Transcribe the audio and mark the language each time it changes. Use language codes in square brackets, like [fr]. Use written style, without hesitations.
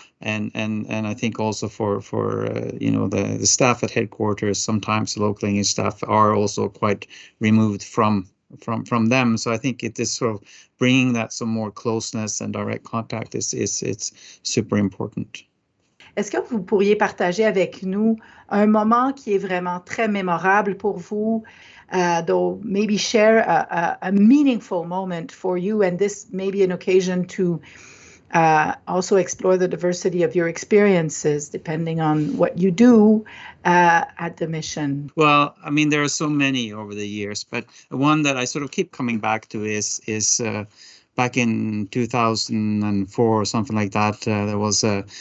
[en] And I think also for the staff at headquarters, sometimes local English staff are also quite removed from them. So I think it is sort of bringing that some more closeness and direct contact is super important. [fr] Est-ce que vous pourriez partager avec nous un moment qui est vraiment très mémorable pour vous? [en] Though maybe share a meaningful moment for you, and this may be an occasion to also explore the diversity of your experiences, depending on what you do at the mission. Well, I mean, there are so many over the years, but one that I sort of keep coming back to is back in 2004 or something like that.